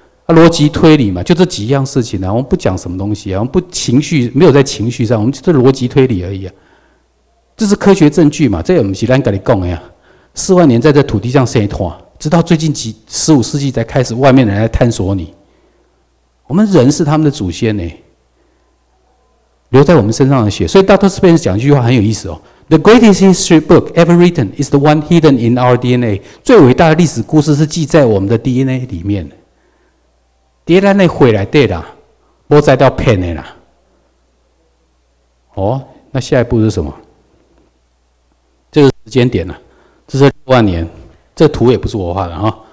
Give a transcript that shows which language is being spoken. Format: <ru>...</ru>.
<zh>啊，逻辑推理嘛，就这几样事情啊，我们不讲什么东西啊，我们不情绪，没有在情绪上，我们就是逻辑推理而已啊。这是科学证据嘛，这也不是咱跟你讲的啊。4万年在这土地上生活，直到最近几15世纪才开始外面人来探索你。我们人是他们的祖先呢，留在我们身上的血。所以 Dr.</zh> <en>Spence</en> <zh>讲一句话很有意思哦</zh> <en>：The greatest history book ever written is the one hidden in our DNA。</en> <zh>最伟大的历史故事是记在我们的 DNA 里面。在我们的血里面啦，不知道骗的啦。哦，那下一步是什么？这个时间点啦，这是6万年，这图也不是我画的啊。</zh>